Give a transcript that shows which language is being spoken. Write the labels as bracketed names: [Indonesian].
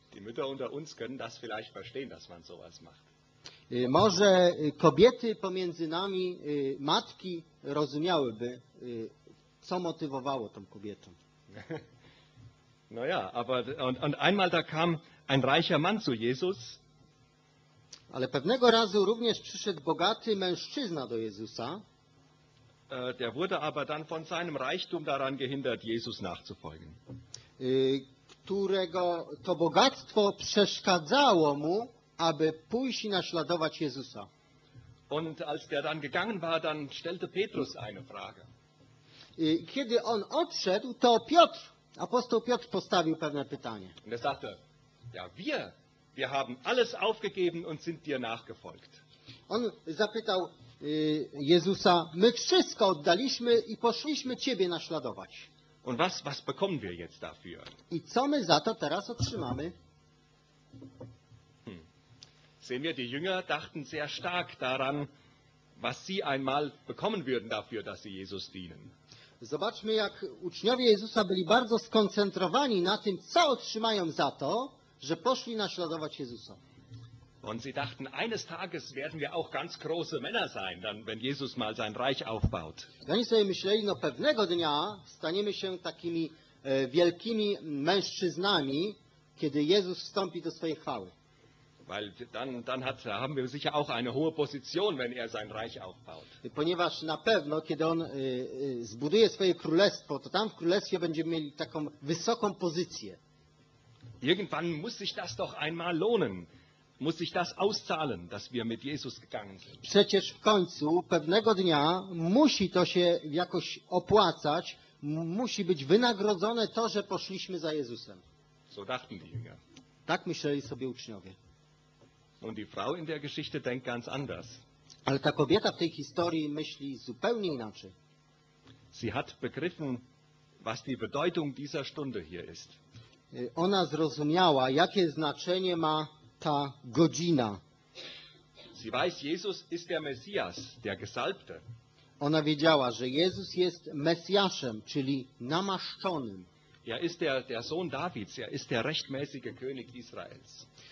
[German] Die Mütter unter uns können das vielleicht verstehen, dass man sowas macht. [Polish] Może kobiety pomiędzy nami, matki, rozumiałyby, co motywowało tą kobietę. [German] No ja, aber und einmal da kam ein reicher Mann zu Jesus. [Polish] Ale pewnego razu również przyszedł bogaty mężczyzna do Jezusa. [German] der wurde aber dann von seinem Reichtum daran gehindert, Jesus nachzufolgen. [Polish] Którego to bogactwo przeszkadzało mu, aby pójść i naśladować Jezusa. [German] Und als der dann gegangen war, dann stellte Petrus eine Frage. [Polish] Kiedy on odszedł, to Piotr, apostoł Piotr postawił pewne pytanie. [German] Und er sagte, ja wir haben alles aufgegeben und sind dir nachgefolgt. [Polish] On zapytał Jezusa, my wszystko oddaliśmy i poszliśmy Ciebie naśladować. [German] Und was bekommen wir jetzt dafür? [Polish] I co my za to teraz otrzymamy? [German] Sehen wir, die Jünger dachten sehr stark daran, was sie einmal bekommen würden dafür, dass sie Jesus dienen. [Polish] Zobaczmy, jak uczniowie Jezusa byli bardzo skoncentrowani na tym, co otrzymają za to, że poszli naśladować Jezusa. [German] Und sie dachten, eines Tages werden wir auch ganz große Männer sein, dann, wenn Jesus mal sein Reich aufbaut. [Polish] Oni sobie myśleli, no pewnego dnia staniemy się takimi wielkimi mężczyznami, kiedy Jezus wstąpi do swojej chwały. [German] Weil dann haben wir sicher auch eine hohe Position, wenn er sein Reich aufbaut. [Polish] Ponieważ na pewno, kiedy on zbuduje swoje królestwo, to tam w królestwie będziemy mieli taką wysoką pozycję. [German] Irgendwann muss sich das doch einmal lohnen. Muss sich das auszahlen, dass wir mit Jesus gegangen sind. [Polish] Przecież w końcu pewnego dnia musi to się jakoś opłacać, musi być wynagrodzone to, że poszliśmy za Jezusem. [German] So dachten die Jünger. [Polish] Tak myśleli sobie uczniowie. [German] Und die Frau in der Geschichte denkt ganz anders. [Polish] Ale ta kobieta w tej historii myśli zupełnie inaczej. [German] Sie hat begriffen, was die Bedeutung dieser Stunde hier ist. [Polish] Ona zrozumiała, jakie znaczenie ma ta godzina. [German] Sie weiß, Jesus ist der Messias, der Gesalbte. [Polish] Ona wiedziała, że Jezus jest Mesjaszem, czyli namaszczonym. [German] Er ist der Sohn Davids, er ist der rechtmäßige König Israels.